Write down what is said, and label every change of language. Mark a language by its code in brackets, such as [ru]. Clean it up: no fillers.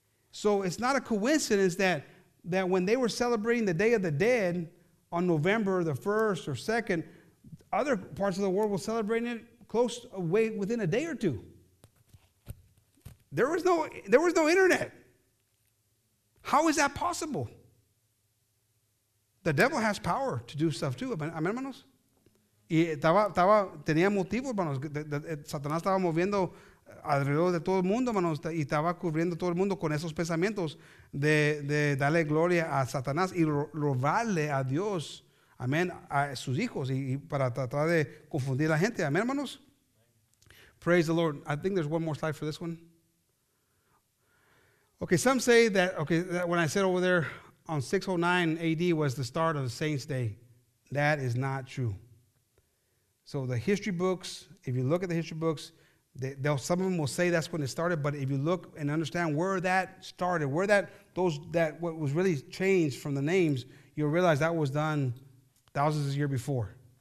[en] So it's not a coincidence that when they were celebrating the Day of the Dead on November the 1st or 2nd, other parts of the world were celebrating it close away within a day or two. There was no internet. How is that possible? The devil has power to do stuff too. [es] Amen, hermanos. Y estaba tenía motivos, hermanos. Satanás estaba moviendo alrededor de todo el mundo, hermanos, y estaba cubriendo todo el mundo con esos pensamientos de darle gloria a Satanás y robarle a Dios, amén, a sus hijos y para tratar de confundir a la gente. [en] Amen, hermanos. Praise the Lord. I think there's one more slide for this one. Okay, some say that when I said over there on 609 AD was the start of the Saints' Day. That is not true. So the history books, if you look at the history books, some of them will say that's when it started, but if you look and understand where that started, what was really changed from the names, you'll realize that was done thousands of years before.